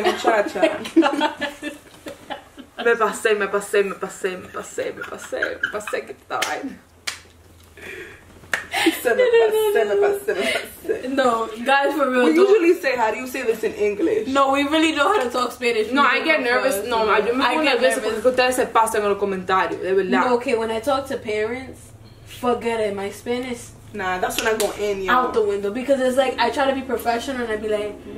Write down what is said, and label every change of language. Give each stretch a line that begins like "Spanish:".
Spanish: Muchacha. Me pasé que esta vaina. Se me pasé.
English: No, guys, for real. We usually say, how do you say this in English? No, we really know how to talk Spanish. No, I get nervous.
Spanish: No, yo me pongo nervioso porque ustedes se pasan en los comentarios, de verdad.
English: No, okay, when I talk to parents, forget it, my Spanish. Nah, that's when I go in, yo. Out the window, because it's like, I try to be professional and I be like.